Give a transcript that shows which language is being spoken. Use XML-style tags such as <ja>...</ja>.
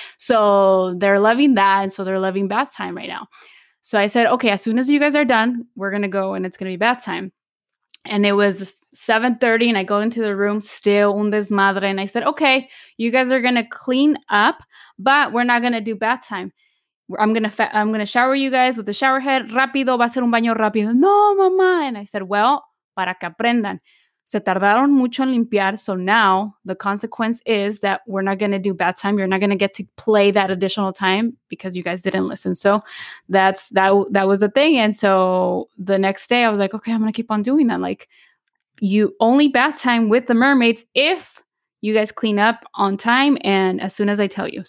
<en>So they're loving that. And so they're loving bath time right now. So I said, okay, as soon as you guys are done, we're going to go and it's going to be bath time. And it was 7:30 and I go into the room, still</en> <es>un desmadre.</es> <en>And I said, okay, you guys are going to clean up, but we're not going to do bath time. I'm going to shower you guys with the shower head.</en> <es>Rápido, va a ser un baño rápido. No, mamá.</es> <en>And I said, well,</en> <es>para que aprendan. Se tardaron mucho en limpiar.</es> <en>So now the consequence is that we're not going to do bath time. You're not going to get to play that additional time because you guys didn't listen. So that was the thing. And so the next day I was like, okay, I'm going to keep on doing that. Like, you only bath time with the mermaids if you guys clean up on time and as soon as I tell you.</en>